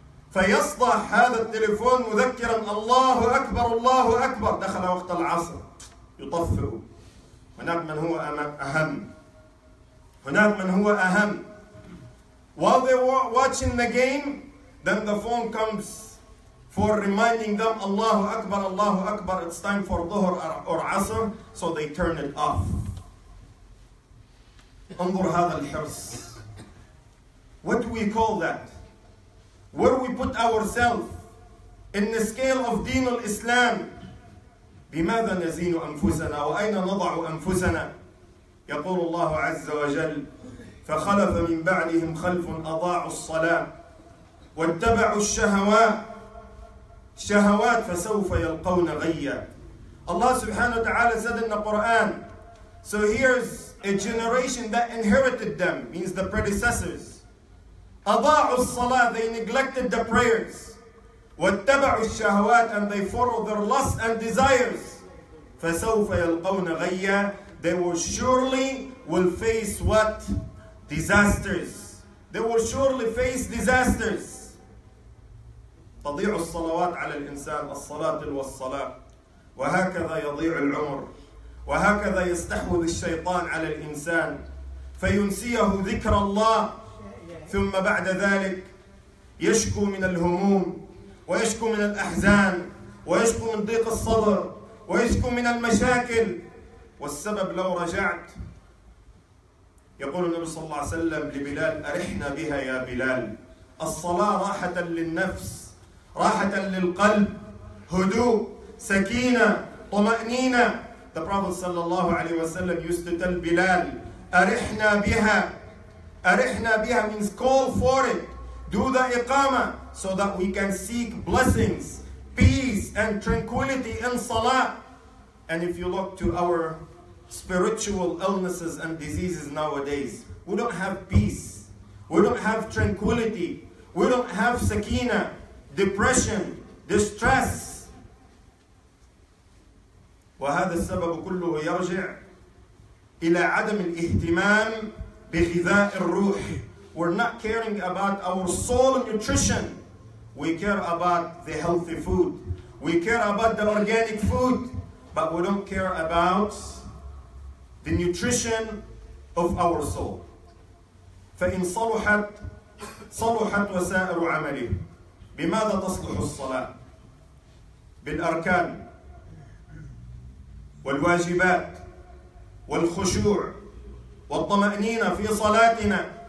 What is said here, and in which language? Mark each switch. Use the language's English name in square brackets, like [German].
[Arabic] فيصدع هذا التلفون مذكرا الله أكبر الله أكبر دخل وقت العصر يطفئ هناك من هو أهم [English] هناك من هو أهم While they were watching the game, then the phone comes for reminding them, Allahu Akbar, Allahu Akbar, it's time for Dhuhr or Asr, so they turn it off. [Arabic] انظر هذا الحرص. [English] What do we call that? where we put ourselves in the scale of Deen al-Islam. بماذا نزين أنفسنا وأين نضع أنفسنا؟ يقول الله عز وجل فخلف من بعدهم خلف أضاعوا الصلاة واتبعوا الشهوات فسوف يلقون غيا. Allah subhanahu wa ta'ala said in the Quran, so here's a generation that inherited them, means the predecessors. [Arabic] أضاعوا الصلاة, [English] they neglected the prayers. [Arabic] واتبعوا الشهوات, [English] and they followed their lusts and desires. [Arabic] فسوف يلقون غيا, [English] they will surely will face what? Disasters. They will surely face disasters. [Arabic] تضيع الصلوات على الإنسان, الصلاة والصلاة. وهكذا يضيع العمر. وهكذا يستحوذ الشيطان على الإنسان. فينسيه ذكر الله. ثم بعد ذلك يشكو من الهموم. ويشكو من الأحزان. ويشكو من ضيق الصدر. ويشكو من المشاكل. والسبب لو رجعت. يقول النبي صلى الله عليه وسلم لبلال أرحنا بها يا بلال. الصلاة راحة للنفس. راحة للقلب. هدوء. سكينة. طمأنينة. [English] The Prophet [Arabic] صلى الله عليه وسلم [English] used to tell Bilal, أرحنا بها. [Arabic] أرحنا بها [English] means call for it. Do the إقامة so that we can seek blessings, peace and tranquility in Salah. And if you look to our spiritual illnesses and diseases nowadays, we don't have peace. We don't have tranquility. We don't have sakina, depression, distress. [Arabic] وهذا السبب كله يرجع إلى عدم الاهتمام بغذاء الروح. [English] We're not caring about our soul nutrition. We care about the healthy food. We care about the organic food. But we don't care about the nutrition of our soul. [Arabic] فإن صلحت صلحت وسائر عمله. بماذا تصلح الصلاة؟ بالأركان والواجبات والخشوع والطمأنينة في صلاتنا.